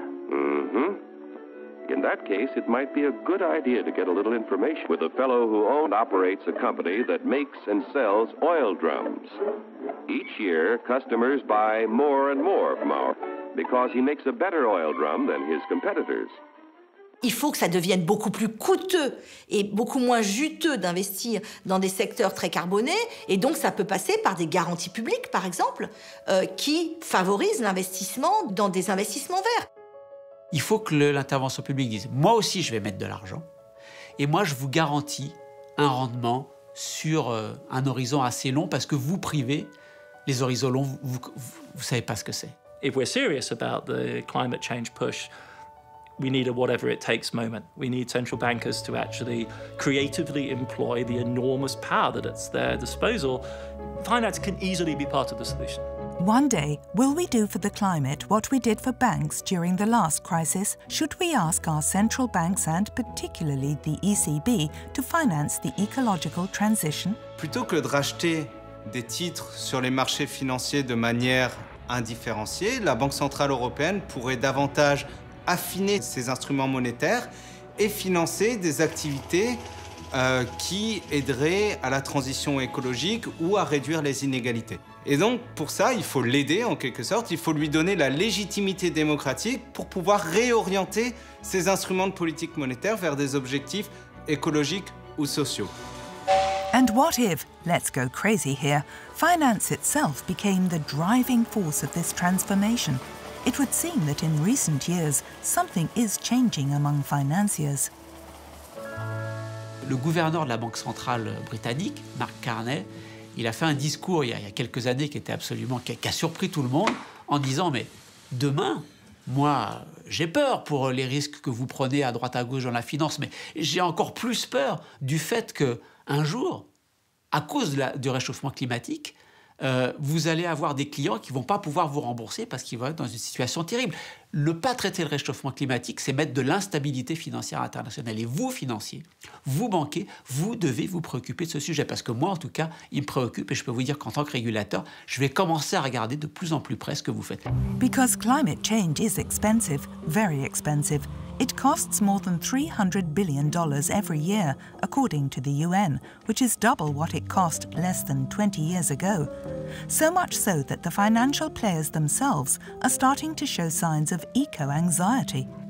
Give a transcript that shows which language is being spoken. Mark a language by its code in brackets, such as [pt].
[en] Mm-hmm. In that case, it might be a good idea to get a little information with a fellow who owns and operates a company that makes and sells oil drums. Each year, customers buy more and more from our because he makes a better oil drum than his competitors. [fr] Il faut que ça devienne beaucoup plus coûteux et beaucoup moins juteux d'investir dans des secteurs très carbonés. Et donc, ça peut passer par des garanties publiques, par exemple, qui favorisent l'investissement dans des investissements verts. Il faut que l'intervention publique dise « Moi aussi, je vais mettre de l'argent. Et moi, je vous garantis un rendement sur un horizon assez long parce que vous, privés, les horizons longs, vous savez pas ce que c'est. » [en] If we're serious about the climate change push, we need a whatever it takes moment. We need central bankers to actually creatively employ the enormous power that at their disposal. Finance can easily be part of the solution. One day, will we do for the climate what we did for banks during the last crisis? Should we ask our central banks and particularly the ECB to finance the ecological transition? [fr] Plutôt que de racheter des titres sur les marchés financiers de manière indifférenciée, la Banque Centrale Européenne pourrait davantage affiner ses instruments monétaires et financer des activités qui aideraient à la transition écologique ou à réduire les inégalités. Et donc, pour ça, il faut l'aider en quelque sorte, il faut lui donner la légitimité démocratique pour pouvoir réorienter ses instruments de politique monétaire vers des objectifs écologiques ou sociaux. [en] And what if, let's go crazy here, finance itself became the driving force of this transformation? It would seem that in recent years, something is changing among financiers. [fr] Le gouverneur de la Banque centrale britannique, Mark Carney, il a fait un discours il y a quelques années qui était absolument qui a surpris tout le monde en disant mais demain moi j'ai peur pour les risques que vous prenez à droite à gauche dans la finance mais j'ai encore plus peur du fait que un jour à cause du réchauffement climatique vous allez avoir des clients qui vont pas pouvoir vous rembourser parce qu'ils vont être dans une situation terrible. Ne pas traiter le réchauffement climatique, c'est mettre de l'instabilité financière internationale. Et vous, financiers, vous, banquiers, vous devez vous préoccuper de ce sujet. Parce que moi, en tout cas, il me préoccupe et je peux vous dire qu'en tant que régulateur, je vais commencer à regarder de plus en plus près ce que vous faites. [en] Because climate change is expensive, very expensive. It costs more than $300 billion every year, according to the UN, which is double what it cost less than 20 years ago. So much so that the financial players themselves are starting to show signs of eco-anxiety.